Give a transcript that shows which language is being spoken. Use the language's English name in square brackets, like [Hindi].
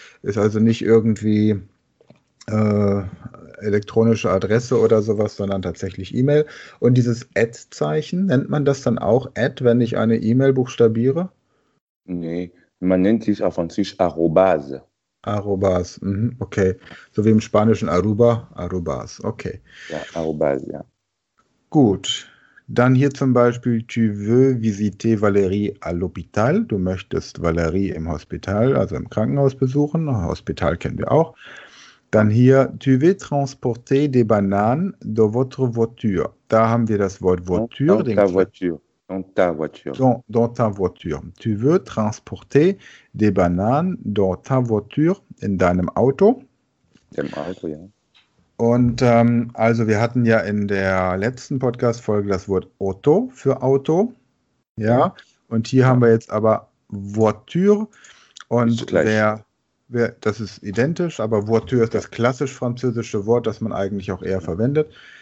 [German] Ist also nicht irgendwie elektronische Adresse oder sowas, sondern tatsächlich E-Mail. Und dieses Add-Zeichen, nennt man das dann auch Add, wenn ich eine E-Mail buchstabiere? Nee, man nennt sich auf Französisch Arrobase. Arrobas, okay. So wie im Spanischen Aruba, Arrobas, okay. Ja, Arrobase, ja. Gut. Dann hier zum Beispiel, [French] tu veux visiter Valérie à l'hôpital. Du möchtest Valérie im Hospital, also im Krankenhaus besuchen. Hospital kennen wir auch. [German] Dann hier, [French] tu veux transporter des bananes dans votre voiture. [German] Da haben wir das Wort voiture, den Kla [French] Dans ta voiture. dans ta voiture. Tu veux transporter des bananes dans ta voiture, [German] in deinem Auto. Dem Auto, ja. Und also wir hatten ja in der letzten Podcast-Folge das Wort Auto für Auto. Ja, und hier haben wir jetzt aber Voiture. Ist Und gleich. das ist identisch, aber Voiture ist das klassisch französische Wort, das man eigentlich auch eher verwendet.